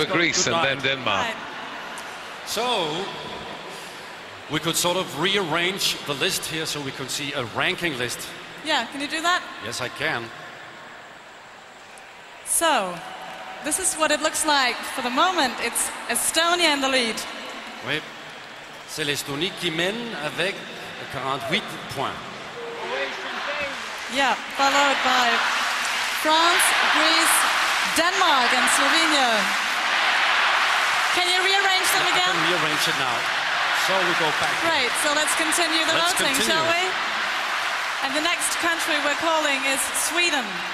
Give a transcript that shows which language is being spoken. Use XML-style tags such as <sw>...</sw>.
<en>with Greece and then Denmark. So, we could sort of rearrange the list here so we could see a ranking list. Yeah, can you do that? Yes, I can. So, this is what it looks like for the moment. It's Estonia in the lead.</en> <fr>Oui, c'est l'Estonie qui mène avec 48 points.</fr> <en>Yeah, followed by France, Greece, Denmark, and Slovenia. Can you rearrange them again? I can rearrange it now. So we go back. Great, so let's continue the let's voting, continue. Shall we? And the next country we're calling is Sweden.</en>